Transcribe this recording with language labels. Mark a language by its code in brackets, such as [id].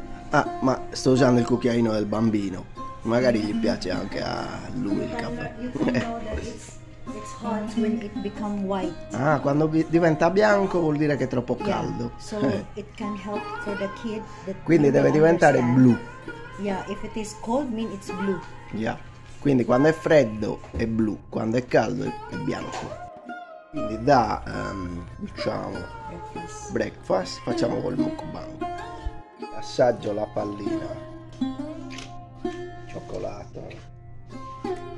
[it] Ah, ma sto usando il cucchiaino del bambino, magari gli piace anche a lui il caffè. [en] It's hot when it becomes white. [it] Ah, quando diventa bianco vuol dire che è troppo caldo. [en] Yeah, so it can help for the kid that. [it] Quindi deve diventare blu. [en] Yeah, if it is cold mean it's blue. Yeah. [it] Quindi quando è freddo è blu, quando è caldo è bianco. Quindi da diciamo breakfast facciamo col mukbang. Assaggio la pallina. Cioccolato.